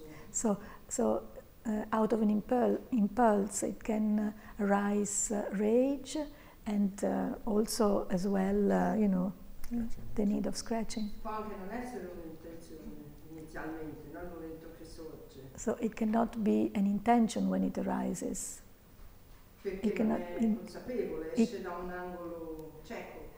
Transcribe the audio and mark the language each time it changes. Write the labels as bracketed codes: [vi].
[en] So out of an impulse it can arise rage and also as well you know the need of scratching. [it] Può anche non essere un'intenzione inizialmente, non al momento che sorge. [en] So it cannot be an intention when it arises. [it] Perché non è consapevole, esce da un angolo cieco.